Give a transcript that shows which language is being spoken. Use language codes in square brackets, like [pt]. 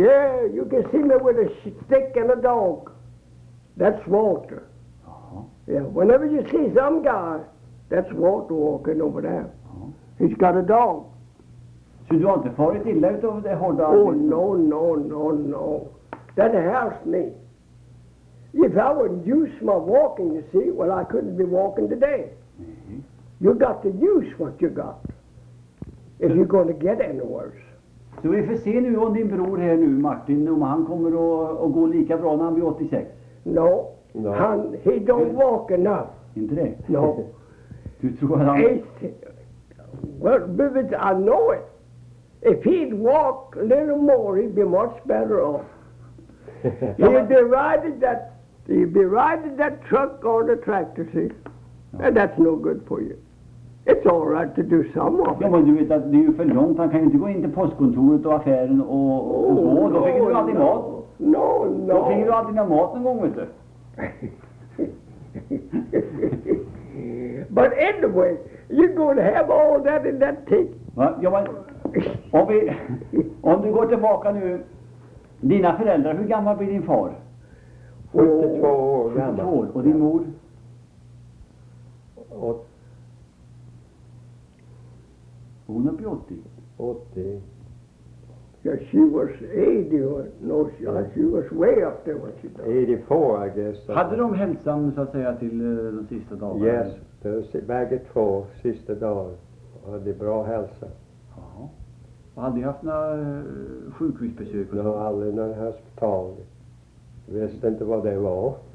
[en] Yeah, you can see me with a stick and a dog. That's Walter. [sv] Jaha. [en] Yeah, whenever you see some guy, that's Walter walking over there. Uh-huh. He's got a dog. [sv] Så du har inte farit illa utöver det hårda? [en] Oh, no. That helps me. If I wouldn't use my walking, you see, well, I couldn't be walking today. Mm-hmm. You got to use what you got. If you're going to get any worse. [sv] Så vi får se nu om din bror här nu, Martin, om han kommer att gå lika bra när han blir 86. [en] No. Han, he don't walk enough. [sv] Inte det? [en] No. [sv] Du tror att han... [en] Well, I know it. If he'd walk a little more, he'd be much better off. he'd be riding that truck on the tractor, see? Okay. And that's no good for you. It's all right to do some of [sv] it. Ja, men du vet att det är ju för långt. Han kan ju inte gå in till postkontoret och affären och gå. Då fick du aldrig mat. [en] No. [sv] Då fick du aldrig mat en gång, vet du. [en] But anyway, you're going to have all that in that tank. [sv] Ja, men om du går tillbaka nu. Dina föräldrar, hur gammal blir din far? 72 år gammal. 72 år. Och din mor? 80. Hon är på 80. 80. [en] Yeah, she was 80. No, she was way up there when she died. 84, I guess. [sv] Hade de hälsan, så att säga, till de sista dagarna? Yes, bägge två sista dagar. Hade bra hälsa. Jaha. Hade du haft några sjukhusbesök? Nej, aldrig någon hospital. Jag visste inte vad det var.